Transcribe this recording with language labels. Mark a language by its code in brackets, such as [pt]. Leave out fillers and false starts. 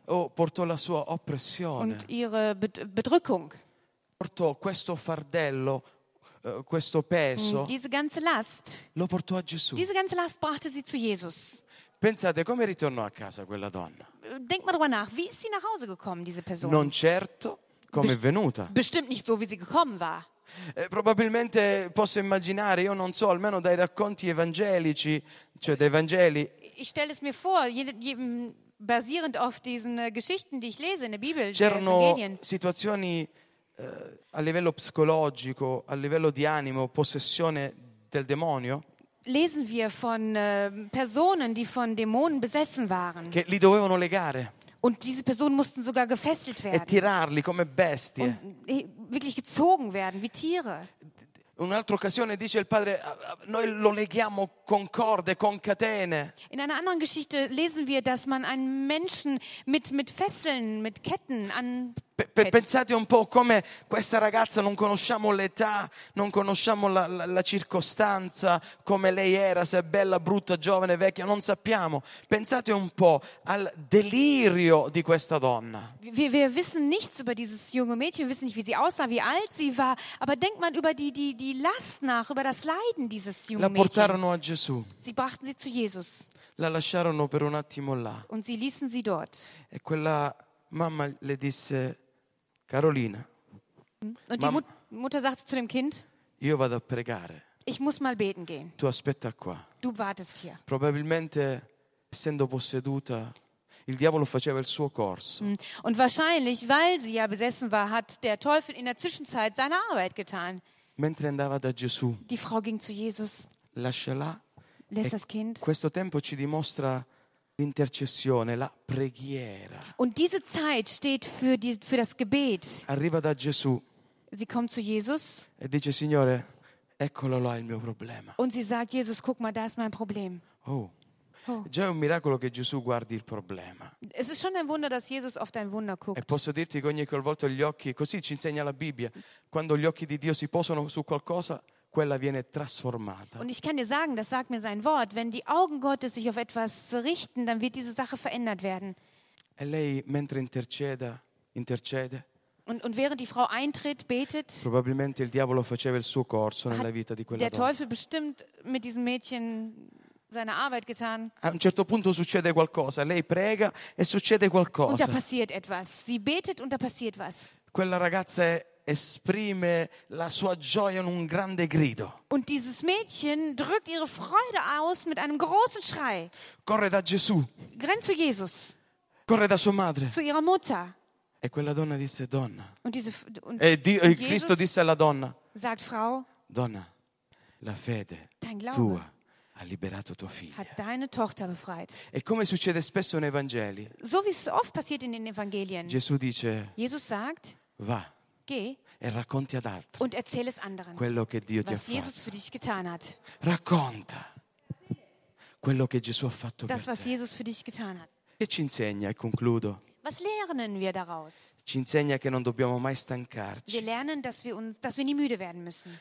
[it] portò la sua oppressione [de] und ihre Bedrückung, [it] portò questo fardello, questo peso, [de] diese ganze Last, [it] lo portò a Gesù, [de] diese ganze Last brachte sie zu Jesus. [it] Pensate come ritornò a casa quella donna. [de] Denk mal drüber nach, wie ist sie nach Hause gekommen, diese Person? [it] Non certo come è venuta. [de] Bestimmt nicht so, wie sie gekommen war. [it] Probabilmente posso immaginare, io non so, almeno dai racconti evangelici, cioè dai Vangeli. [de] Ich stelle es mir vor, basierend auf diesen Geschichten, die ich lese in der Bibel, [it] c'erano situazioni a livello psicologico, a livello di animo, possessione del demonio. [de] Lesen wir von Personen, die von Dämonen besessen waren. [it] Che li dovevano legare. [de] Und diese Personen mussten sogar gefesselt werden. [it] E tirarli come bestie. [de] Und wirklich gezogen werden wie Tiere. [it] Un'altra occasione dice il padre, noi lo leghiamo con corde, con catene. [de] In einer anderen Geschichte lesen wir, dass man einen Menschen mit Fesseln, mit Ketten an. [it] Pensate un po' come questa ragazza, non conosciamo l'età, non conosciamo la circostanza, come lei era, se è bella, brutta, giovane, vecchia, non sappiamo. Pensate un po' al delirio di questa donna. [de] Wir wissen nichts über dieses junge Mädchen, wir wissen nicht, wie sie aussah, wie alt sie war, aber denkt man über die Last nach, über das Leiden dieses jungen Mädchen. [it] La portarono a Gesù. [de] Sie brachten sie zu Jesus. [it] La lasciarono per un attimo là. [de] Und sie ließen sie dort. [it] E quella Mamma le disse, Carolina. [de] Und die Mutter sagte zu dem Kind, [it] io vado a pregare. [de] Ich muss mal beten gehen. [it] Tu aspetta qua. [de] Du wartest hier. [it] Probabilmente, essendo posseduta, il diavolo faceva il suo corso. [de] Und wahrscheinlich, weil sie ja besessen war, hat der Teufel in der Zwischenzeit seine Arbeit getan. [it] Mentre andava da Gesù. [de] Die Frau ging zu Jesus. [it] Lasciala. [de] Lässt das Kind. [it] Questo tempo ci dimostra l'intercessione, la preghiera. [de] Und diese Zeit steht für das Gebet. [it] Arriva da Gesù. [de] Sie kommt zu Jesus. [it] E dice, Signore, eccolo là il mio problema. [de] Und sie sagt, Jesus, guck mal, da ist mein Problem. Oh. Oh. [it] Già è un miracolo che Gesù guardi il problema. [de] Es ist schon ein Wunder, dass Jesus auf dein Wunder guckt. [it] E posso dirti che ogni volta gli occhi, così ci insegna la Bibbia, quando gli occhi di Dio si posano su qualcosa, quella viene trasformata. [de] Und ich kann dir sagen, das sagt mir sein Wort, wenn die Augen Gottes sich auf etwas richten, dann wird diese Sache verändert werden. [it] E lei mentre intercede. [de] Und während die Frau eintritt, betet. [it] Probabilmente il diavolo faceva il suo corso nella vita di quella donna. [de] Der Teufel bestimmt mit diesem Mädchen seine Arbeit getan. [it] A un certo punto succede qualcosa, lei prega e succede qualcosa. [de] Und da passiert etwas. Sie betet und da passiert was. [it] Quella ragazza è esprime la sua gioia in un grande grido. [de] Und dieses Mädchen drückt ihre Freude aus mit einem großen Schrei. [it] Corre da Gesù. [de] Rennt zu Jesus. [it] Corre da sua madre. [de] Zu ihrer Mutter. [it] E quella donna disse: Donna. [de] Und [it] Cristo disse alla donna: [de] Sagt Frau, [it] Donna, la fede [de] dein Glaube [it] tua ha liberato tua figlia. [de] Hat deine Tochter befreit. [it] E come succede spesso nei Vangeli, [de] so wie es oft passiert in den Evangelien. [it] Gesù dice, [de] Jesus sagt: [it] Va. [de] Geh. [it] E racconti ad altri. [de] Und erzähl es anderen. [it] Quello che Dio [de] was [it] ti ha fatto. [de] Für dich getan hat. [it] Racconta. Quello che Gesù ha fatto [de] das, [it] per [de] was [it] te. [de] Jesus für dich getan hat. [it] Che ci insegna? E concludo. [de] Was lernen wir daraus? [it] Ci insegna che non dobbiamo mai stancarci. [de] Wir lernen, dass wir nie müde werden müssen.